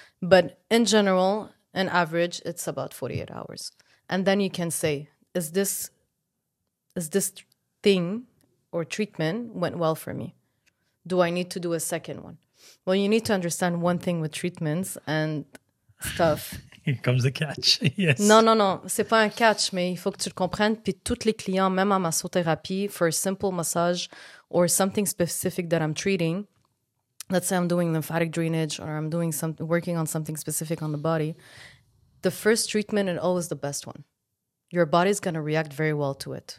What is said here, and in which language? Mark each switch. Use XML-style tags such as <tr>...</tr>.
<en>But in general, on average, it's about 48 hours. And then you can say, is this thing or treatment went well for me? Do I need to do a second one? Well, you need to understand one thing with treatments and stuff. Here comes the catch. Yes. No.</en> <fr>C'est pas un catch, mais il faut que tu le comprennes. Puis tous les clients, même en massothérapie,</fr> <en>for a simple massage or something specific that I'm treating, let's say I'm doing lymphatic drainage or I'm doing working on something specific on the body, the first treatment is always the best one. Your body's going to react very well to it.</en>